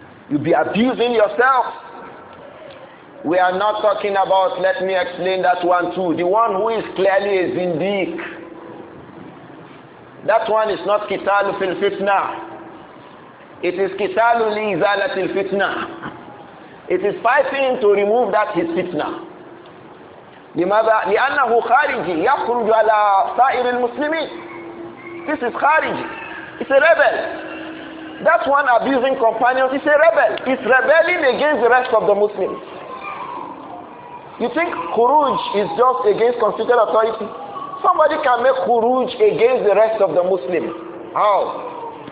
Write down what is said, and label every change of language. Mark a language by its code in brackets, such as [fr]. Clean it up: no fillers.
[en] You'll be abusing yourself. We are not talking about, let me explain that one too. The one who is clearly a zindiq. That one is not qital fil fitna. It is qital li izalati al fitna. It is fighting to remove that his fitna. [ar] لماذا؟ لأنه خارجي يخرج على سائر المسلمين. [en] This is خارجي. It's a rebel. That one abusing companions is a rebel. It's rebelling against the rest of the Muslims. You think khuruj is just against constituted authority? Somebody can make khuruj against the rest of the Muslims. How?